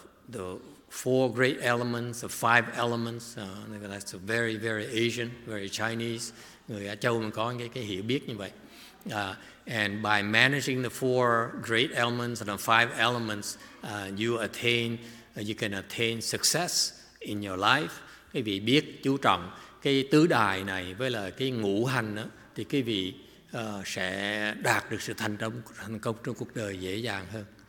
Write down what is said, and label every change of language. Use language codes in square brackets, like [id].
[en] The four great elements, the five elements, that's a very, very Asian, very Chinese. [vi] Người Á Châu mình có cái hiểu biết như vậy. [en] And by managing the four great elements and the five elements, you can attain success in your life. [vi] Quý vị biết chú trọng cái tứ đài này với là cái ngũ hành đó, thì quý vị sẽ đạt được sự thành công trong cuộc đời dễ dàng hơn.